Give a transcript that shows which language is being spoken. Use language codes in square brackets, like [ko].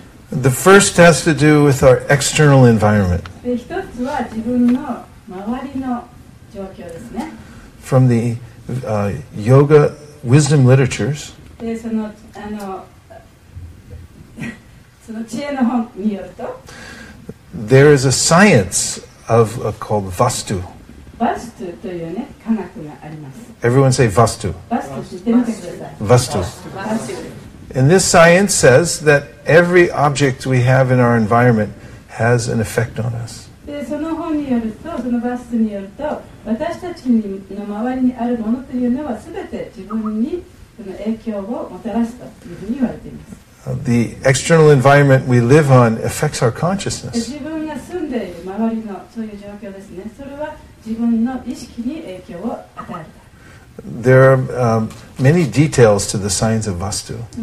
[en] The first has to do with our external environment. From the yoga wisdom literatures, There is a science of called Vastu. [ja] Vastu というね、科学があります。 [en] Everyone say Vastu. Vastu, Vastu. Vastu. Vastu. And this science says that every object we have in our environment has an effect on us. [ja] で、その本によると、その Vastu によると、私たちの周りにあるものというのは、すべて自分にその影響をもたらすというふうに言われています。 [en] The external environment we live on affects our consciousness. There are many details to the science of Vastu.